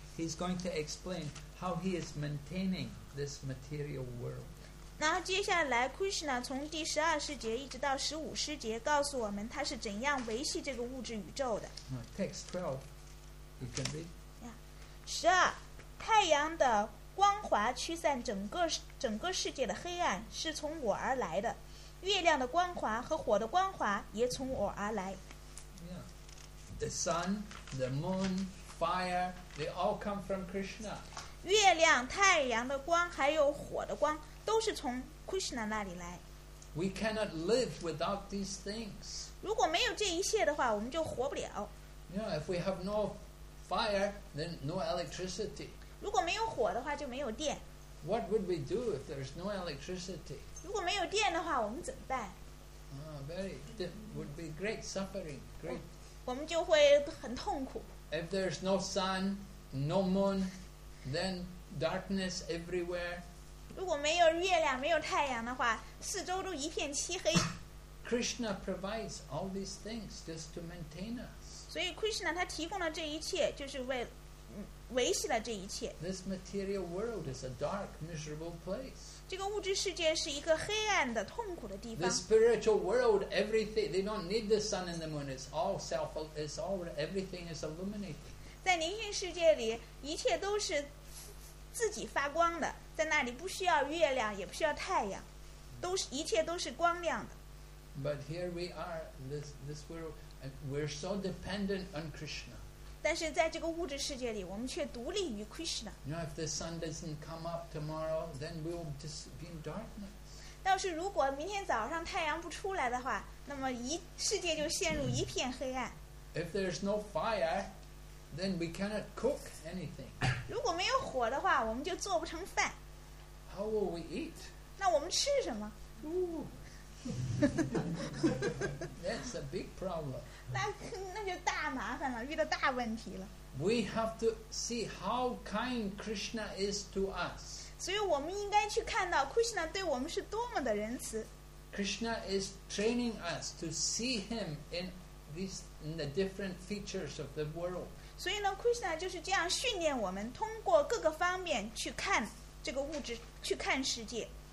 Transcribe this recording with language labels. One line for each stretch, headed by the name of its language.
English: He's going to explain how he is maintaining this material world.
Chinese: 然后接下来 Krishna 从第十二世节一直到十五世节告诉我们他是怎样维系这个物质宇宙的。
English: Text 12, you can read.
Chinese: 十二，太阳的光华驱散整个世界的黑暗是从我而来的，月亮的光华和火的光华也从我而来。
English: The sun, the moon, fire, they all come from Krishna.
Chinese: 月亮、太阳的光还有火的光都是从 Krishna 那里来。
English: We cannot live without these things.
Chinese: 如果没有这一切的话，我们就活不了。
English: Yeah, if we have no fire, then no electricity.
Chinese: 如果没有火的话，就没有电。
English: What would we do if there's no electricity?
Chinese: 如果没有电的话，我们怎么办？
English: Would be great suffering, great.
Chinese: 我们就会很痛苦。
English: If there's no sun, no moon, then darkness everywhere.
Chinese: 如果没有月亮，没有太阳的话，四周都一片漆黑。
English: Krishna provides all these things just to maintain us.
Chinese: 所以 Krishna 他提供了这一切，就是为维系了这一切。
English: This material world is a dark, miserable place.
Chinese: 这个物质世界是一个黑暗的痛苦的地方。
English: The spiritual world, everything, they don't need the sun and the moon. It's all self, it's all, everything is illuminated.
Chinese: 在灵性世界里，一切都是自己发光的，在那里不需要月亮，也不需要太阳，都是一切都是光亮的。
English: But here we are, this world, and we're so dependent on Krishna.
Chinese: 但是在这个物质世界里，我们却独立于 Krishna。
English: You know, if the sun doesn't come up tomorrow, then we'll just be in darkness.
Chinese: 要是如果明天早上太阳不出来的话，那么世界就陷入一片黑暗。
English: If there's no fire, then we cannot cook anything.
Chinese: 如果没有火的话，我们就做不成饭。
English: How will we eat?
Chinese: 那我们吃什么？
English: That's a big problem.
Chinese: 那就大麻烦了，遇到大问题了。
English: We have to see how kind Krishna is to us.
Chinese: 所以我们应该去看到 Krishna 对我们是多么的仁慈。
English: Krishna is training us to see him in the different features of the world.
Chinese: 所以呢 ，Krishna 就是这样训练我们，通过各个方面去看这个物质，去看世界。